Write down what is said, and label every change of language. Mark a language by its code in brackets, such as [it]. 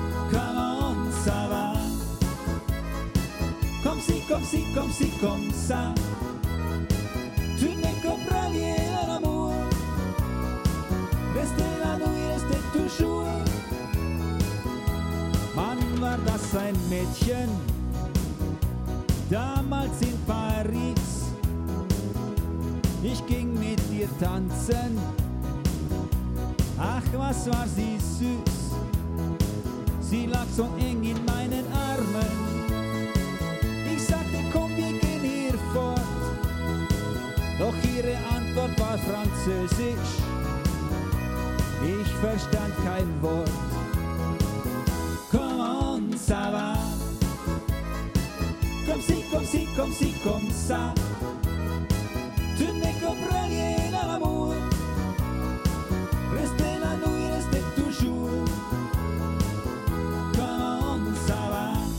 [fr] Comment ça va? Comme si, comme si, comme si, comme ça. Tu ne comprends rien à l'amour. Restez la nuit, restez toujours. [de] Mann, war das ein Mädchen. Damals in Paris, ich ging mit ihr tanzen. Ach, was war sie süß, sie lag so eng in meinen Armen. Ich sagte, komm, wir gehen hier fort. Doch ihre Antwort war Französisch, ich verstand kein Wort. [fr] Come on, ça va. Comme si, comme si, comme si, comme ça. Tu ne comprends rien à l'amour. Restez la nuit, restez toujours. Comment ça va?